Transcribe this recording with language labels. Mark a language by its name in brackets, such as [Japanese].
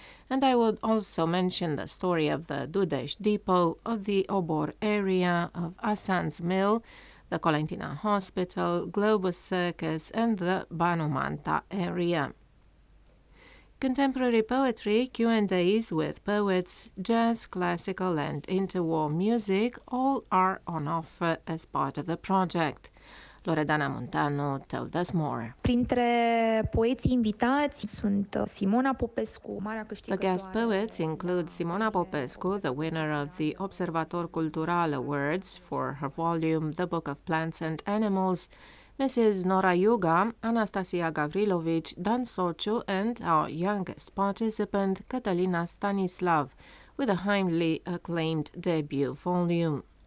[English] And I would also mention the story of the Dudesh Depot, of the Obor area, of Asan's Mill, the Colentina Hospital, Globus Circus, and the Banu Manta area. Contemporary poetry, Q&As with poets, jazz, classical, and interwar music all are on offer as part of the project. Loredana Muntanu told us more. [Romanian] Printre poeții invitați sunt Simona Popescu, marea câștigătoare. [English] The guest poets include Simona Popescu, the winner of the Observator Cultural Awards for her volume The Book of Plants and Animals, Mrs. Nora Yuga, Anastasia Gavrilovic, Dan Sociu, and our youngest participant, Catalina Stanislav, with a highly acclaimed debut volume.